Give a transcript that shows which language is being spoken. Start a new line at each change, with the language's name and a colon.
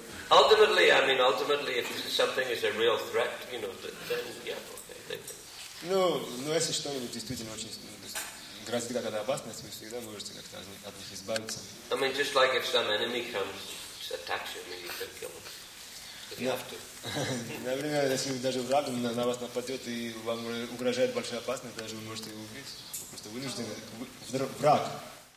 English: ultimately, if something is a real threat, you know, then yeah, okay.
Russian: Ну, если что-нибудь действительно очень грозит, когда опасность, вы всегда можете как-то от них избавиться.
English: I mean, just like if some enemy comes, attacks you, maybe you can kill them.
Russian: Например, если даже враг на вас нападет и вам угрожает большая опасность, даже вы можете его убить. Просто вынуждены. Враг.